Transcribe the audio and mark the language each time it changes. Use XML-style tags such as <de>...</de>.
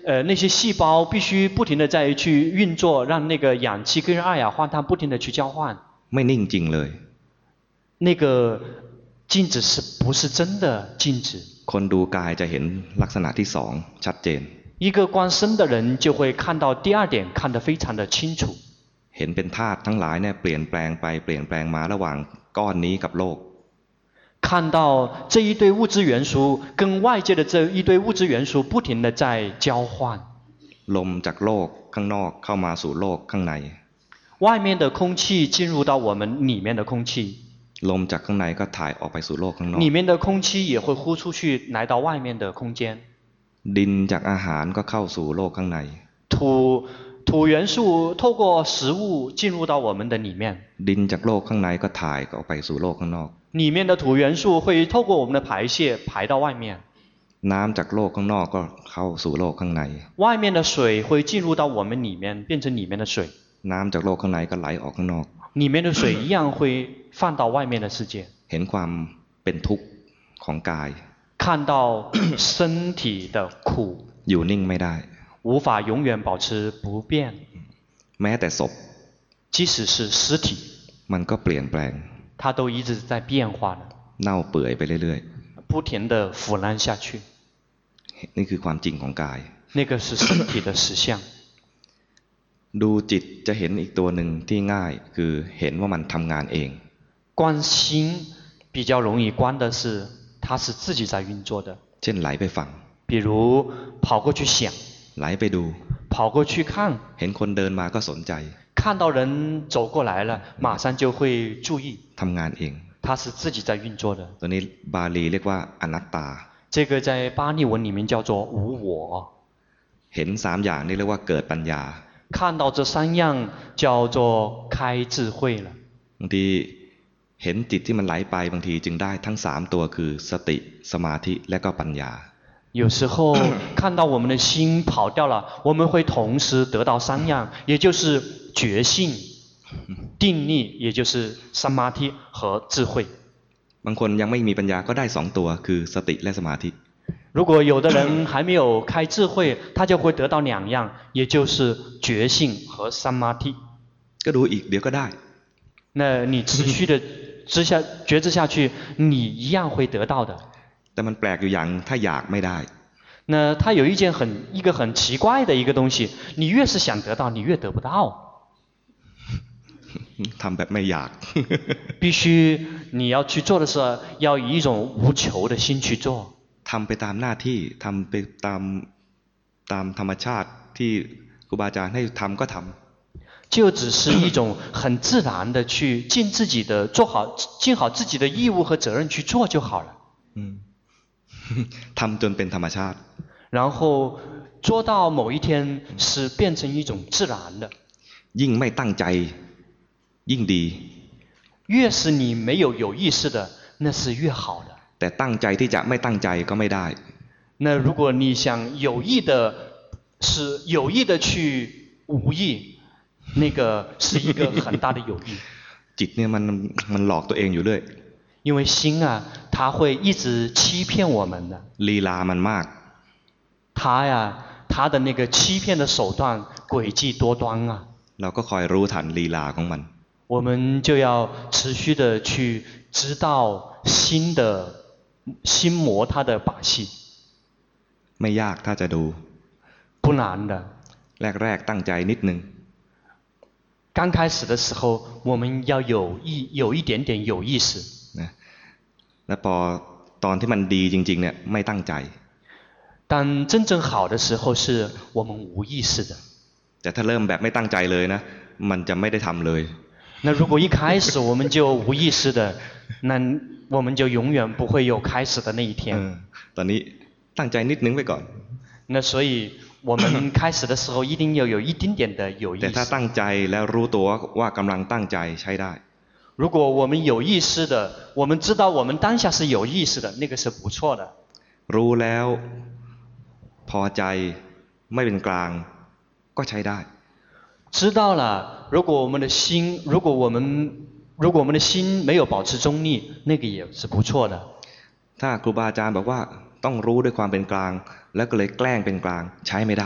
<zh>那些细胞必须不停的在去运作让那个氧气跟二氧化碳不停的去交换</zh> <th>ไม่นิ่งจริงเลย</th> <zh>那个静止是不是真的静止</zh> <th>คนดูกายจะเห็นลักษณะที่สองชัดเจน</th> <zh>一个观身的人就会看到第二点看得非常的清楚</zh> <th>เห็นเป็นธาตุทั้งหลายเนี่ยเปลี่ยนแปลงไปเปลี่ยนแปลงมาระหว่างก้อนนี้กับโลก</th> <zh>看到这一堆物质元素跟外界的这一堆物质元素不停的在交换</zh> <th>ลมจากโลกข้างนอกเข้ามาสู่โลกข้างใน</th> <zh>外面的空气进入到我们里面的空气</zh> <th>ลมจากข้างในก็ถ่ายออกไปสู่โลกข้างนอก</th> <zh>里面的空气也会呼出去来到外面的空间</zh> <th>ดินจากอาหารก็เข้าสู่โลกข้างใน</th> <zh>土元素透过食物进入到我们的里面</zh> <th>ดินจากโลกข้างในก็ถ่ายออกไปสู่โลกข้างนอก</th> <zh>里面的土元素会透过我们的排泄排到外面</zh> <th>น้ำจากโลกข้างนอกก็เข้าสู่โลกข้างใน</th> <zh>外面的水会进入到我们里面变成里面的水</zh> <th>น้ำจากโลกข้างในก็ไหลออกข้างนอก</th> <zh>里面的水一样会放到外面的世界</zh> <th>เห็นความเป็นทุกข์ของกาย</th> <zh>看到身体的苦</zh> <th>อยู่นิ่งไม่ได้</th> <zh>无法永远保持不变</zh> <th>แม้แต่ศพ</th> <zh>即使是尸体</zh> <th>มันก็เปลี่ยนแปลง</th> <zh>它都一直在变化</zh> <th>เน่าเปื่อยไปเรื่อย</th> <zh>ๆ不停的腐烂下去</zh> <th>นี่คือความจริงของกาย</th> <zh>那个是身体的实相</zh> <th>ดูจิตจะเห็นอีกตัวหนึ่งที่ง่ายคือเห็นว่ามันทำงานเอง</th> <zh>观心比较容易观的是它是自己在运作的</zh> <th>เช่นไหลไปฟัง</th> <zh>比如跑过去想</zh> <th>ไหลไปดู</th> <zh>跑过去看</zh> <th>เห็นคนเดินมาก็สนใจ</th> <zh>看到人走过来了马上就会注意</zh> <th>ทำงานเอง</th> <zh>它是自己在运作的</zh> <th>ตัวนี้บาลีเรียกว่าอนัตตา</th> <zh>这个在巴利文里面叫做无我</zh> <th>เห็น3อย่างนี่เรียกว่าเกิดปัญญา</th> <zh>看到这三样叫做开智慧了</zh> <th>บางทีเห็นจิตที่มันไหลไปบางทีจึงได้ทั้ง3ตัวคือสติสมาธิและก็ปัญญา</th> <zh>有时候看到我们的心跑掉了我们会同时得到三样也就是觉性定力也就是สมาธิ和智慧</zh> <th>บางคนยังไม่มีปัญญาก็ได้2ตัวคือสติและสมาธิ</th> <zh>如果有的人还没有开智慧他就会得到两样也就是觉性和สมาธิ</zh> <th>ก็ดูอีกเดี๋ยวก็ได้</th> <zh>那你持续的知下觉知下去，你一样会得到的。但它</zh> <th>แปลกอยู่อย่างถ้าอยากไม่ได้</th> <zh>。那它有一件很一个很奇怪的一个东西，你越是想得到，你越得不到。</zh> <th>ทำแบบไม่อยาก。</th> <zh>必须你要去做的时候，要以一种无求的心去做。</zh> <th>ทำไปตามหน้าที่ทำไปตามธรรมชาติที่ครูบาอาจารย์ให้ทำก็ทำ。</th> <zh>就只是一种很自然的去尽自己的做好尽好自己的义务和责任去做就好了。嗯，</zh> <th>ทำจนเป็นธรรมชาติ。</th> <zh>然后做到某一天是变成一种自然的。</zh> <th>ยิ่งไม่ตั้งใจยิ่งดี。</th> <zh>越是你没有有意识的，那是越好的。</zh> <th>แต่ตั้งใจที่จะไม่ตั้งใจก็ไม่ได้。</th> <zh>那如果你想有意的，是有意的去无意。那个是一个很大的友谊</zh> <th>จิตเนี่ยมันหลอกตัวเองอยู่เรื่อย</th> <zh>因为心啊它会一直欺骗我们的</zh> <th>ลีลามันมาก</th> <zh>他呀，他的那个欺骗的手段诡计多端啊。</zh> <th>เราก็คอยรู้ทันลีลาของมัน。</th> <zh>我们就要持续的去知道心的心魔他的把戏。</zh> <th>ไม่ยากถ้าจะดู。</th> <zh>不难的。</zh> <th>แรกๆตั้งใจนิดนึง。</th> <zh>刚开始的时候，我们要有一点点有意识。</zh> <th>นะแล้วพอตอนที่มันดีจริงๆเนี่ยไม่ตั้งใจ。</th> <zh>但真正好的时候是我们无意识的。</zh> <th>แต่ถ้าเริ่มแบบไม่ตั้งใจเลยนะมันจะไม่ได้ทำเลย。</th> <zh>那如果一开始我们就无意识的，那我们就永远不会有开始的那一天。嗯，</zh> <th>ตอนนี้ตั้งใจนิดนึงไว้ก่อน。</th> <zh>那所以我们开始的时候一定要有一丁点的有意识。</zh> <th>แต่ถ้าตั้งใจแล้วรู้ตัวว่ากำลังตั้งใจใช้ได้。</th> <zh>如果我们有意识的，我们知道我们当下是有意识的，那个是不错的。</zh> <th>รู้แล้วพอใจไม่เป็นกลางก็ใช้ได้</th> <zh>知道了如果我们的心如果我们的心没有保持中立那个也是不错的</zh> <th>ถ้าครูบาอาจารย์บอกว่าต้องรู้ด้วยความเป็นกลางแล้วก็เลยแกล้งเป็นกลางใช้ไม่ได</th>